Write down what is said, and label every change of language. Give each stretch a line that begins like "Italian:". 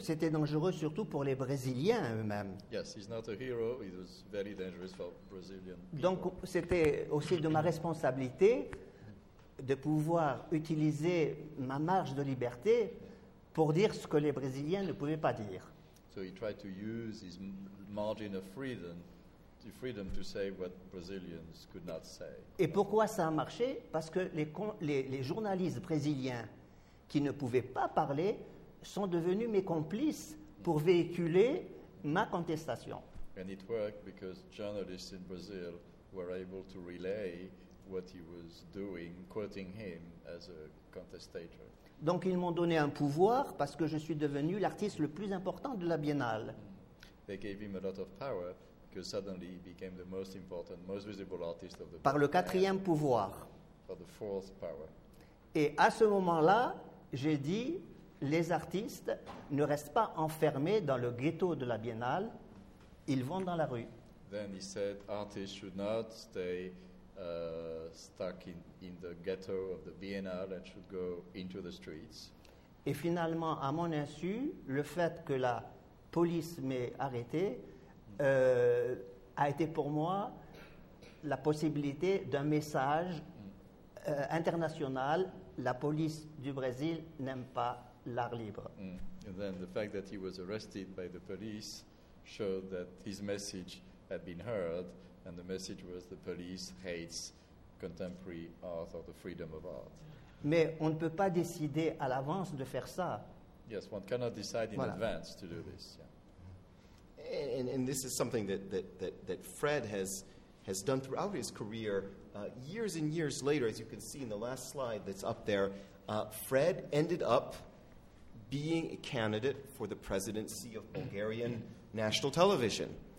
French: C'était dangereux surtout pour les Brésiliens eux-mêmes.
English: Yes, he's not a hero. It was very dangerous for Brazilian people.
French: Donc, c'était aussi de ma responsabilité de pouvoir utiliser ma marge de liberté pour dire ce que les Brésiliens ne pouvaient pas dire.
English: So he tried to use his margin of freedom, the freedom to say what Brazilians could not say.
French: Et pourquoi ça a marché? Parce que les journalistes brésiliens qui ne pouvaient pas parler sont devenus mes complices pour véhiculer ma contestation.
English: And it worked because journalists in Brazil were able to relay what he was doing, quoting him as a contestator.
French: Donc ils m'ont donné un pouvoir parce que je suis devenu l'artiste le plus important de la Biennale.
English: They gave him a lot of power because suddenly he became the most important, most visible artist of the
French: Biennale. Par le quatrième pouvoir.
English: For the fourth power.
French: Et à ce moment-là, j'ai dit, les artistes ne restent pas enfermés dans le ghetto de la Biennale, ils vont dans la rue.
English: Then he said, artists should not stay stuck in the ghetto of the Biennale and should go into the streets.
French: Et finalement, à mon insu, le fait que la police m'ait arrêté a été pour moi la possibilité d'un message international. La police du Brésil n'aime pas l'art libre. Mm.
English: And then the fact that he was arrested by the police showed that his message had been heard. And the message was the police hates contemporary art or the freedom of art.
French: Mais on ne peut pas décider à l'avance de faire ça.
English: Yes, one cannot decide in advance to do this. Yeah. And this is something that Fred has done throughout his career. Years and years later, as you can see in the last slide that's up there, Fred ended up being a candidate for the presidency of Bulgarian national television.